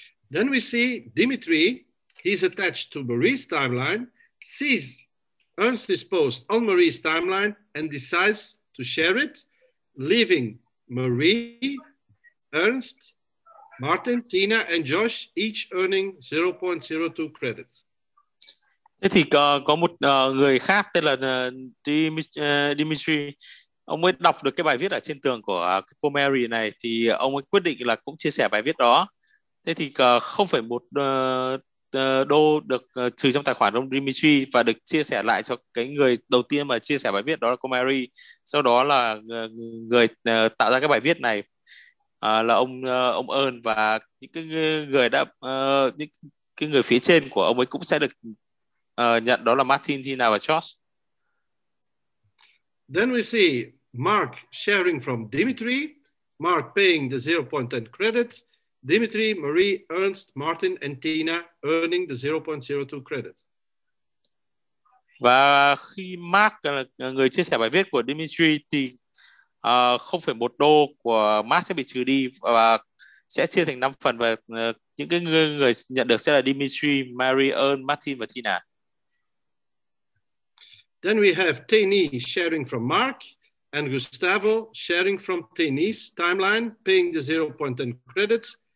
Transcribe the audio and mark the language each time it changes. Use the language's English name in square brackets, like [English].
[English] Then we see Dimitri, he's attached to Marie's timeline, sees Ernst's post on Marie's timeline and decides to share it, leaving Marie, Ernst, Martin, Tina and Josh each earning 0.02 credits. [Vietnamese] Thế thì có một người khác tên là Dimitri, ông mới đọc được cái bài viết ở trên tường của cô Mary này thì ông ấy quyết định là cũng chia sẻ bài viết đó. Thế thì 0.1 đô được trừ trong tài khoản ông Dimitri và được chia sẻ lại cho cái người đầu tiên mà chia sẻ bài viết đó là cô Mary. Sau đó là người tạo ra cái bài viết này là ông Ern và những cái người đã những cái người phía trên của ông ấy cũng sẽ được nhận đó là Martin, Tina và Josh. [English] Then we see Mark sharing from Dimitri, Mark paying the 0.10 credits. Dimitri, Marie, Ernst, Martin and Tina earning the 0.02 credits. [Vietnamese] Và khi Mark là người chia sẻ bài viết của Dimitri thì 0.1 đô của Mark sẽ bị trừ đi và sẽ chia thành 5 phần và những cái người nhận được sẽ là Dimitri, Marie, Ernst, Martin và Tina. [English] Then we have Tini sharing from Mark and Gustavo sharing from Tini's timeline paying the 0.10 credits.